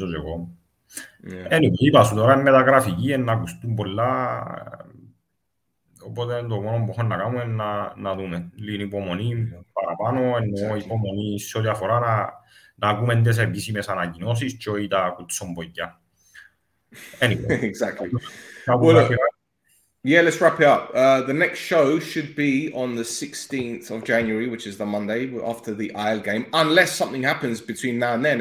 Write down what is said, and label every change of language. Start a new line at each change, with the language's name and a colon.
English: Yeah, it's, you know, it's just a good one. Yeah. Anyway, he passed on the graph again, and I was doing it. But then the one who had to do it, and I was doing it.
Greek: Να ακούμε τις επίσημες ανακοινώσεις και όχι τα κουτσομπογιά.
English: Anyway. Exactly. Well, yeah, let's wrap it up. The next show should be on the 16th of January, which is the Monday, after the Isle game, unless something happens between now and then.